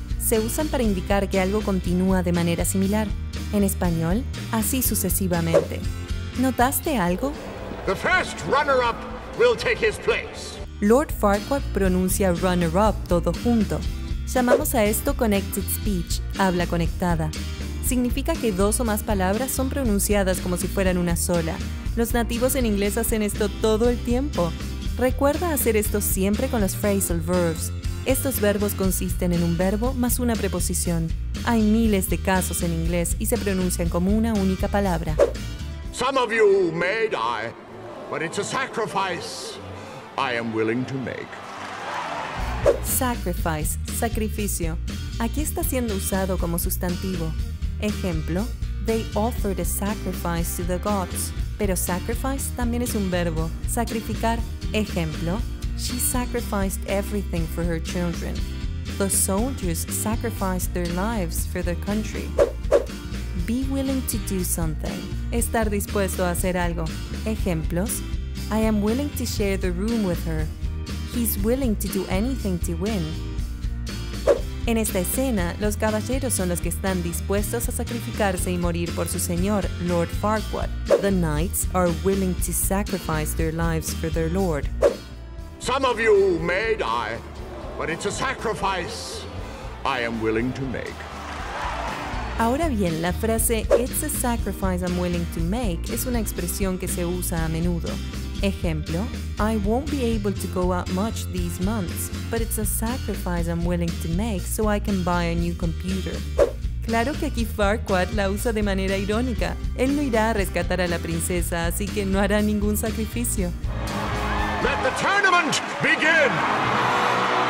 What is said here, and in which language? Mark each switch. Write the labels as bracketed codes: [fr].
[es] Se usan para indicar que algo continúa de manera similar. En español, así sucesivamente. ¿Notaste algo? [en] The first runner-up will take his place. [es] Lord Farquaad pronuncia runner-up todo junto. Llamamos a esto connected speech, habla conectada. Significa que dos o más palabras son pronunciadas como si fueran una sola. Los nativos en inglés hacen esto todo el tiempo. Recuerda hacer esto siempre con los phrasal verbs. Estos verbos consisten en un verbo más una preposición. Hay miles de casos en inglés y se pronuncian como una única palabra. [en] Some of you may die, but it's a sacrifice I am willing to make. [es] Sacrifice, sacrificio. Aquí está siendo usado como sustantivo. [en] Ejemplo, they offered a sacrifice to the gods. [es] Pero sacrifice también es un verbo, sacrificar. Ejemplo, [en] she sacrificed everything for her children. The soldiers sacrificed their lives for their country. Be willing to do something. [es] Estar dispuesto a hacer algo. [en] Ejemplos, I am willing to share the room with her. He's willing to do anything to win. [es] En esta escena, los caballeros son los que están dispuestos a sacrificarse y morir por su señor, Lord Farquaad. [en] The knights are willing to sacrifice their lives for their lord. Some of you may die, but it's a sacrifice I am willing to make. [es] Ahora bien, la frase [en] "It's a sacrifice I'm willing to make" [es] es una expresión que se usa a menudo. [en] Ejemplo, I won't be able to go out much these months, but it's a sacrifice I'm willing to make so I can buy a new computer. [es] Claro que aquí Farquaad la usa de manera irónica. Él no irá a rescatar a la princesa, así que no hará ningún sacrificio. [en] Let the tournament begin!